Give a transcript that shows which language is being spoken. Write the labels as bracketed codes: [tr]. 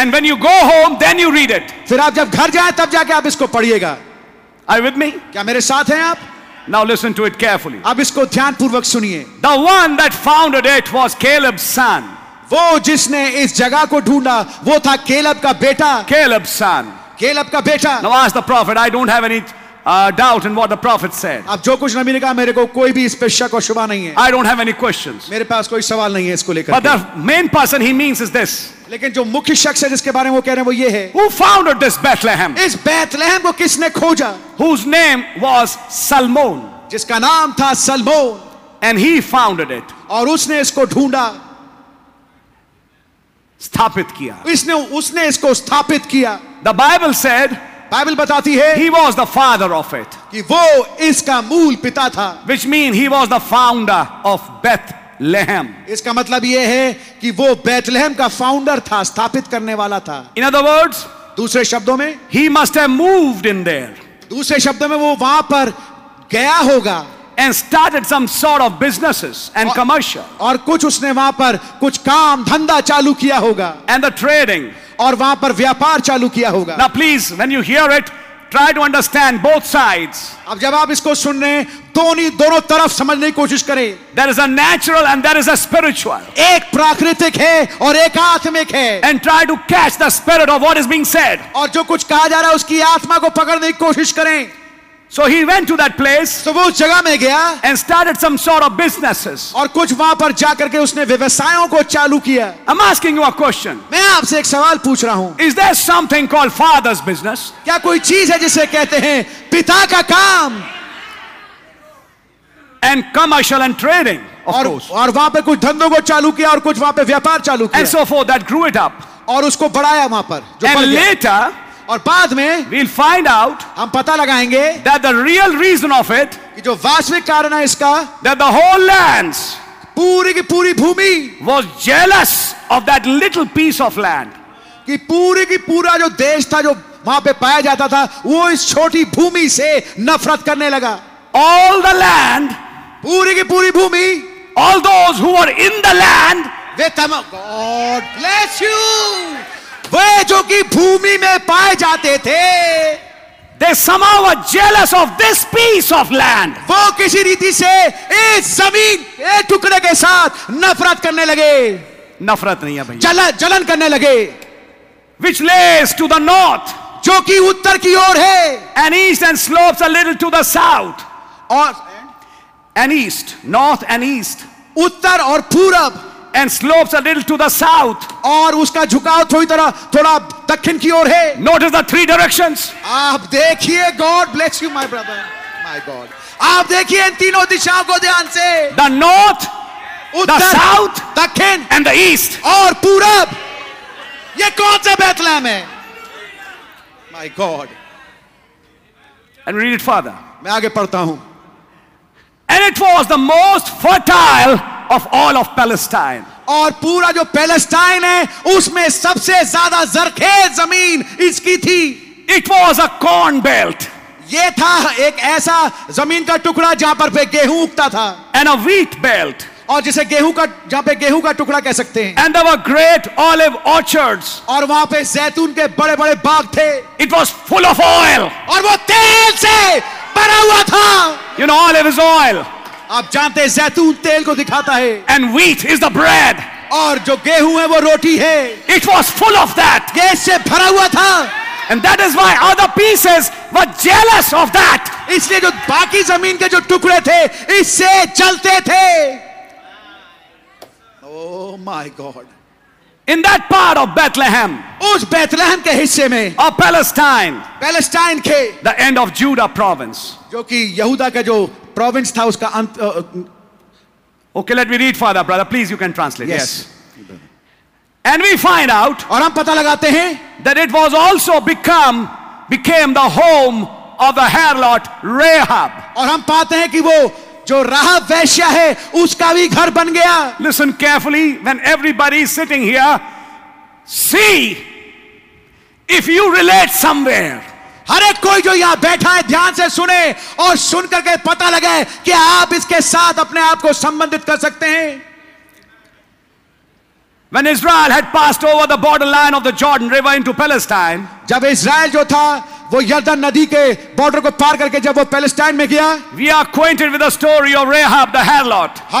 [en] And when you go home then you read it. [hi] Fir aap jab ghar jaye tab jaake aap isko padhiyega. [en] Are you with me? [hi] Kya mere saath hain aap? [en] Now listen to it carefully. [hi] अब इसको ध्यान पूर्वक सुनिए. [en] The one that founded it was Caleb's son. [hi] वो जिसने इस जगह को ढूंढा वो था Caleb का बेटा. [en] Caleb's son. [hi] Caleb का बेटा. [en] Now ask the prophet. I don't have any doubt in what the prophet said. [hi] अब जो कुछ नबी ने कहा मेरे को कोई भी इस पे शक और शुबा नहीं है. [en] I don't have any questions. [hi] मेरे पास कोई सवाल नहीं है इसको लेकर. [en] But the main person he means is this. [hi] लेकिन जो मुख्य शख्स है जिसके बारे में वो कह रहे हैं वो ये है. [en] Who founded this Bethlehem? [hi] इस बेथलहम को किसने खोजा? [en] Whose name was Salmon? [hi] जिसका नाम था Salmon. [en] And he founded it. [hi] और उसने इसको ढूंढा, स्थापित किया. उसने इसको स्थापित किया. [en] The Bible said. [hi] बाइबल बताती है. [en] He was the father of it. [hi] कि वो इसका मूल पिता था. [en] Which means he was the founder of Bethlehem. [hi] लेहम इसका मतलब यह है कि वो बेथलहम का फाउंडर था, स्थापित करने वाला था. [en] in other words [hi] दूसरे शब्दों में [en] ही must have moved in there. [hi] दूसरे शब्दों में वो वहां पर गया होगा. [en] And started some sort of businesses and commercial. [hi] और कुछ उसने वहां पर कुछ काम धंधा चालू किया होगा. [en] and the trading [hi] और वहां पर व्यापार चालू किया होगा. [en] Now please when you hear it Try to understand both sides. [hi] अब जब आप इसको सुन रहे दोनों तरफ समझने की कोशिश करें. [en] There is a natural and there is a spiritual. [hi] एक प्राकृतिक है और एक आत्मिक है. [en] And try to catch the spirit of what is being said. [hi] और जो कुछ कहा जा रहा है उसकी आत्मा को पकड़ने की कोशिश करें. [en] So he went to that place. [hi] So वो उस जगह में गया. [en] And started some sort of businesses. [hi] और कुछ वहाँ पर जा करके उसने व्यवसायों को चालू किया. [en] I'm asking you a question. [hi] मैं आपसे एक सवाल पूछ रहा हूँ. [en] Is there something called father's business? [hi] क्या कोई चीज़ है जिसे कहते हैं पिता का काम? [en] And commercial and trading, of course. [hi] और वहाँ पे कुछ धंधों को चालू किया और कुछ वहाँ पे व्यापार चालू किया. [en] And so forth that grew it up. [hi] और उसको बढ़ाया वहाँ पर. [en] And later. [hi] और बाद में [en] we'll find out [hi] हम पता लगाएंगे [en] that the real reason of it [hi] कि जो वास्तविक कारण है इसका [en] that the whole lands [hi] पूरी की पूरी भूमि [en] was jealous of that little piece of land [hi] कि पूरी की पूरा जो देश था जो वहां पे पाया जाता था वो इस छोटी भूमि से नफरत करने लगा. [en] All the land [hi] पूरी की पूरी भूमि [en] all those who were in the land [hi] वे तमाम [en] God bless you [hi] वे जो कि भूमि में पाए जाते थे [en] they somehow were jealous of this piece of land [hi] वो किसी रीति से इस जमीन के टुकड़े के साथ नफरत करने लगे. नफरत नहीं है भैया, जलन करने लगे. [en] Which lays to the north [hi] जो कि उत्तर की ओर है [en] and east and slopes a little to the south [hi] और [en] and east north and east [hi] उत्तर और पूरब [en] And slopes a little to the south. [hi] और उसका झुकाव थोड़ी तरह थोड़ा दक्षिण की ओर है. [en] Notice the three directions. [hi] आप देखिए, [en] God bless you, my brother, my God. [hi] आप देखिए इन तीनों दिशाओं को ध्यान से. [en] The north, [hi] Uttar, [en] the south, [hi] दक्षिण, [en] and the east. [hi] और पूरब. ये कौन सा बेथलहम है? [en] My God. And read it, Father. [hi] मैं आगे पढ़ता हूँ. [en] And it was the most fertile. Of all of Palestine. [hi] और पूरा जो Palestine है उसमें सबसे ज्यादा जरखेज जमीन इसकी थी. [en] It was a corn belt. [hi] ये था एक ऐसा जमीन का टुकड़ा जहां पर गेहूं उगता था. [en] And a wheat belt. [hi] और जिसे गेहूं का जहां पे गेहूं का टुकड़ा कह सकते हैं. [en] And there were great olive orchards. [hi] और वहां पे जैतून के बड़े बड़े बाग थे. [en] It was full of oil. [hi] और वो तेल से भरा हुआ था. [en] You know, olive is oil. [hi] आप जानते हैं जैतून तेल को दिखाता है. [en] And wheat is the bread. [hi] और जो गेहूं है वो रोटी है. [en] It was full of that. [hi] गेहूं से भरा हुआ था. [en] And that is why other pieces were jealous of that. [hi] इसलिए जो बाकी जमीन के जो टुकड़े थे इससे जलते थे. [en] Oh my God. In that part of Bethlehem. [hi] उस बेथलहम के हिस्से में. [en] Or Palestine. [hi] Palestine के. [en] The end of Judah province. [hi] जो कि यहूदा का जो Province था उसका अंत. [en] Okay, let me read, Father, brother. Please, you can translate. Yes. And we find out. [hi] और हम पता लगाते हैं. [en] That it was also became the home of the harlot Rahab. [hi] और हम पाते हैं कि वो जो राहब वेश्या है उसका भी घर बन गया. [en] Listen carefully when everybody is sitting here. See if you relate somewhere. [hi] हर एक कोई जो यहां बैठा है ध्यान से सुने और सुनकर के पता लगे कि आप इसके साथ अपने आप को संबंधित कर सकते हैं. [en] When Israel had passed over the borderline of the Jordan River into Palestine, [hi] जब इसराइल जो था वो यर्दन नदी के बॉर्डर को पार करके जब वो पैलेस्टाइन में गया, [en] we are acquainted with the story of Rahab the harlot.